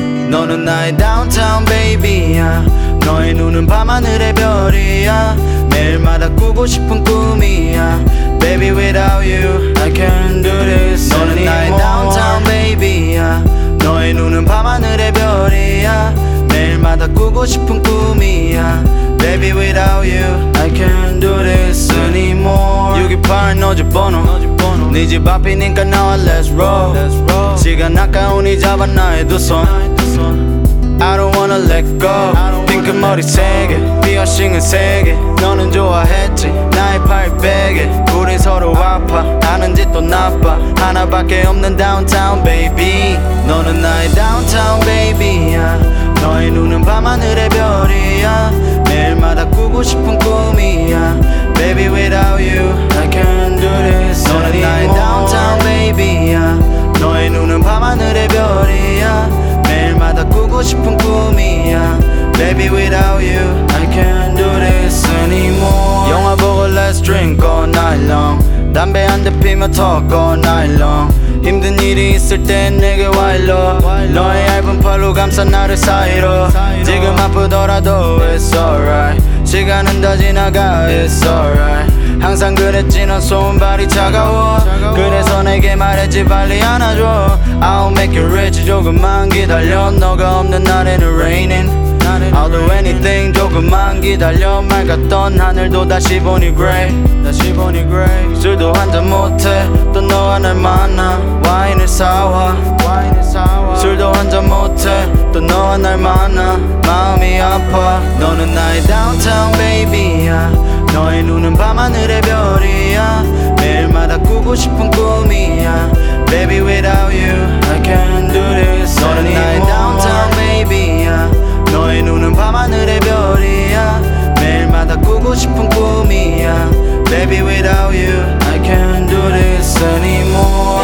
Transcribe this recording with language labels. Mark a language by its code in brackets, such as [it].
[ko] 너는 나의 downtown baby야. 너의 눈은 밤하늘의 별이야. 매일마다 꾸고 싶은 꿈이야. [en] Baby without you I can't do this. [ko] 너는 나의 downtown baby야. 너의 눈은 밤하늘의 별이야. 매일마다 꾸고 싶은 꿈이야. [en] Baby without you I can't do this anymore. [ko] 6.28 너집번호 네 집 앞이니까 나와 [en] let's roll. [ko] 시간 아까우니 잡아 나의 두 손. [en] I don't wanna let go. [ko] 핑크 머리 세 개 피어싱은 세 개 너는 좋아했지 나의 팔 베개. 우린 서로 아파 아는 짓도 나빠. 하나밖에 없는 downtown baby. 너는 나의 downtown baby야. 너의 눈은 밤하늘의 별이야. 매일마다 꾸고 싶은 꿈이야. [en] Baby without you I can't do this. [ko] 너는 나의 downtown baby야. 너의 눈은 밤하늘의 별이야. 매일마다 꾸고 싶은 꿈이야. [en] Baby without you I can't do this anymore. [ko] 영화 보고 [en] let's drink all night long. [ko] 담배 한 대 피며 [en] talk all night long. [ko] 힘든 일이 있을 땐 내게 와일러. 너의 얇은 팔로 감싸 나를 사이로. 지금 아프더라도 [en] it's alright. [ko] 시간은 다 지나가 [en] it's alright. [ko] 항상 그랬지 넌 손발이 차가워. 그래서 내게 말했지 빨리 안아줘. [en] I'll make you rich [ko] 조금만 기다려. 너가 없는 날에는 raining. [en] I'll do anything [ko] 조금만 기다려. 맑았던 하늘도 다시 보니 grey. 다시 보니 grey. 술도 한잔 못해 또 너가 날 만나. 와인을 사와 와인을 사와. 술도 한잔 못해 또 너가 날 만나. 마음이 아파. 너는 나의 downtown baby야. 너의 눈은 밤하늘의 별이야. 매일마다 꾸고 싶은 꿈이야. [en] Baby without you I can't do this. [ko] 너는 나의 downtown baby야. 너의 눈은 밤하늘의 별이야. 매일마다 꾸고 싶은 꿈이야. [en] Baby without you I can't do this anymore.